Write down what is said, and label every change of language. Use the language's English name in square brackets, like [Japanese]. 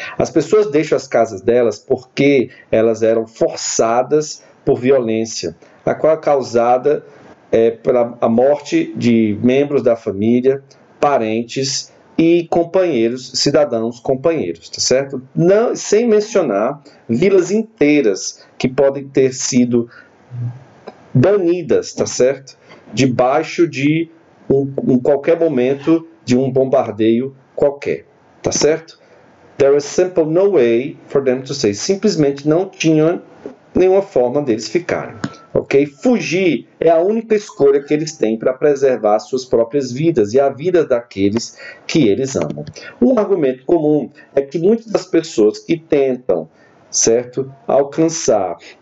[Portuguese] As pessoas deixam as casas delas porque elas eram forçadas por violência, a qual é causada pela a morte de membros da família, parentes e companheiros, cidadãos companheiros, tá certo? Não, sem mencionar vilas inteiras que podem ter sido banidas, tá certo? Debaixo de um qualquer momento de um bombardeio qualquer, tá certo? [English] There was simply no way for them to stay. [Portuguese] Simplesmente não tinha nenhuma forma deles ficarem. Okay? Fugir é a única escolha que eles têm para preservar suas próprias vidas e a vida daqueles que eles amam. Um argumento comum é que muitas das pessoas que tentam, certo, alcançar